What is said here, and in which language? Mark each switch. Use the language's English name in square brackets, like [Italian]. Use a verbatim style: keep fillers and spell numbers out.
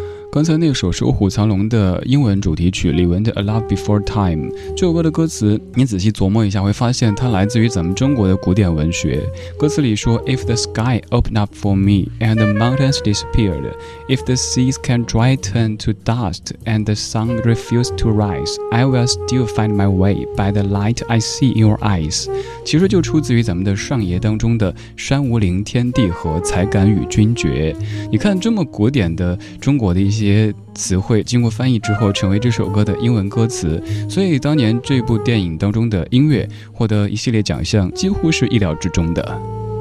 [Chinese] 刚才那首是《卧虎藏龙》的英文主题曲，李玟的《A Love Before Time》。这首歌的歌词你仔细琢磨一下，会发现它来自于咱们中国的古典文学。歌词里说 [English] If the sky opened up for me and the mountains disappeared, If the seas can dry turn to dust and the sun refused to rise, I will still find my way by the light I see in your eyes。 [Chinese] 其实就出自于咱们的上爷当中的山无陵天地合，才敢与君绝。你看这么古典的中国的一些这些词汇经过翻译之后成为这首歌的英文歌词，所以当年这部电影当中的音乐获得一系列奖项几乎是意料之中的。